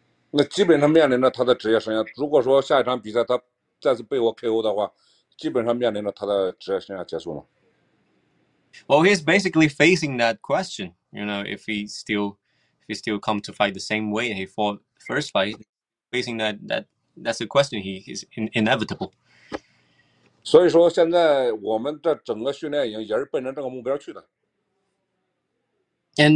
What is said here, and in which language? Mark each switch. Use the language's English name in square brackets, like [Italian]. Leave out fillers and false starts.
[Chinese] 那基本上面临着他的职业生涯, 如果说下一场比赛他再次被我KO的话, 基本上面临着他的职业生涯结束了。 [English] Well, he's basically facing that question, you know, if he still come to fight the same way he fought first fight, facing that's a question he's inevitable. [Chinese] 所以说现在我们的整个训练营也是奔着这个目标去的。 [English] And